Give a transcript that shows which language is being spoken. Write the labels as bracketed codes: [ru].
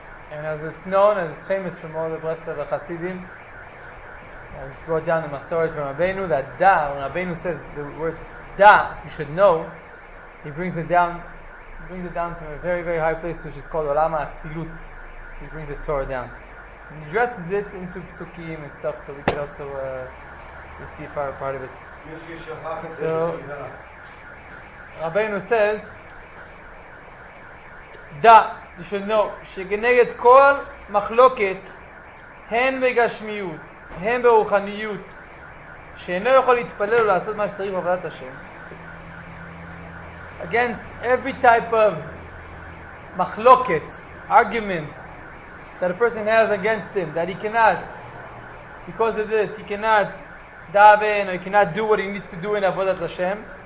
[en] And as it's known, as it's famous from all the Breslev, the Hasidim, as brought down the Masoret from Rabbeinu, that Da, when Rabbeinu says the word Da, you should know, he brings it down from a very, very high place, which is called Olam HaAtzilut. He brings his Torah down. And he dresses it into psukim and stuff, so we could also receive our part of it. So, Rabbeinu says, Da, you should know, [he] שגנגד כל מחלוקת הן בגשמיות, הן ברוחניות, שאינו יכול להתפלל ולעשות מה שצריך בעבודת השם. [en] Against every type of מחלוקת, arguments that a person has against him, that he cannot, because of this, he cannot daven, or he cannot do what he needs to do in עבודת השם.